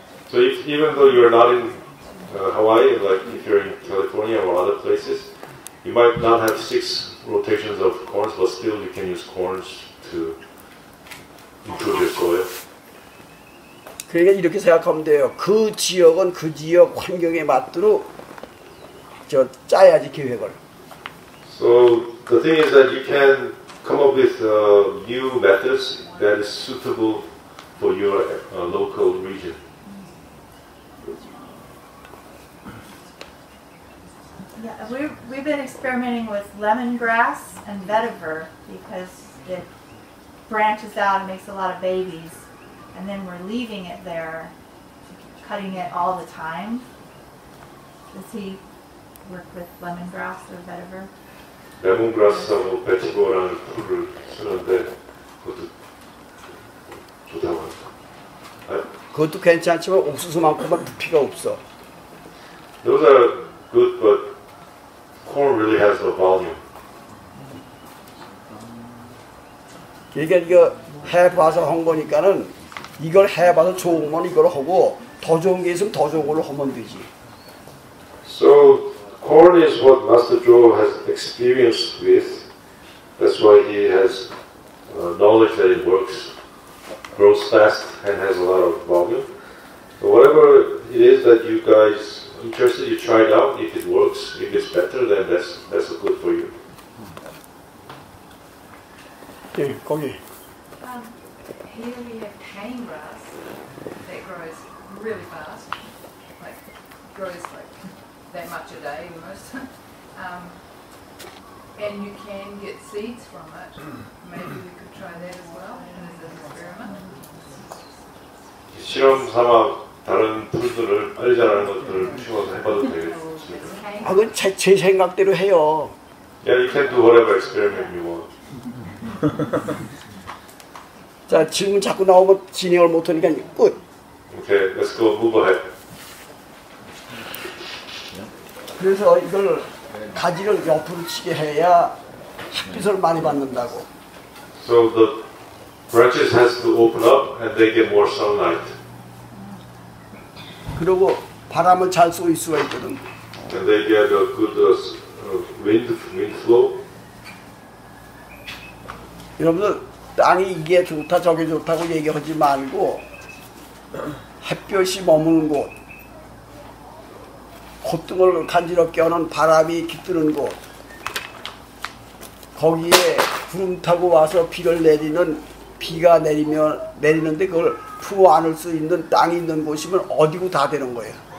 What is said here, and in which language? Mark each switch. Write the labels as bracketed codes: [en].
[en] So if, even though you're not in Hawaii, like if you're in California or other places, you might not have six rotations of corns, but still you can use corns to improve your soil. [ko] 그러니까 이렇게 생각하면 돼요. 그 지역은 그 지역 환경에 맞도록 저 짜야지 계획을. [en] So the thing is that you can come up with new methods that is suitable for your local region. 네, we've been experimenting with lemongrass and vetiver because it branches out and makes a lot of babies. And then we're leaving it there, cutting it all the time. Does he work with lemongrass or vetiver? [ko] Lemongrass하고 vetiver라는 풀을 쓰는데 그것도 좋다고 합니다. 그것도 괜찮지만 옥수수만큼은 부피가 없어. [en] Those are good, but corn really has the volume. [ko] 이게 이거 해봐서 한 거니까는 이걸 해봐서 좋은 건 이걸 하고 더 좋은 게 있으면 더 좋은 걸로 하면 되지. [en] So corn is what Master Joe has experience with. That's why he has knowledge that it works, grows fast, and has a lot of volume. So whatever it is that you guys are interested, you try it out. If it works, if it's better, then that's good for you. [ko] 예, 거기. [en] Here we have cane grass that grows really fast, like grows like that much a day almost. And you can get seeds from it. Maybe we could try that as well as an experiment. [ko] 실험 삼아 다른 풀들을 빨리 자라는 것들을 심어서 해봐도 되겠습니다. 아, 그건 제 생각대로 해요. [en] Yeah, you can do whatever experiment you want. [ko] 자, 질문 자꾸 나오면 진행을 못하니까 끝. [en] Okay, let's go move ahead. [ko] 그래서 이걸 가지를 옆으로 치게 해야 햇빛을 많이 받는다고. [en] So the branches has to open up and they get more sunlight. [ko] 그리고 바람을 잘 쏠 수가 있거든. [en] And they get a good wind flow. [ko] 여러분들 땅이 이게 좋다 저게 좋다고 얘기하지 말고 햇볕이 머무는 곳, 콧등을 간지럽게 하는 바람이 깃드는 곳, 거기에 구름 타고 와서 비를 내리는 비가 내리면 내리는데 그걸 품어 안을 수 있는 땅이 있는 곳이면 어디고 다 되는 거예요.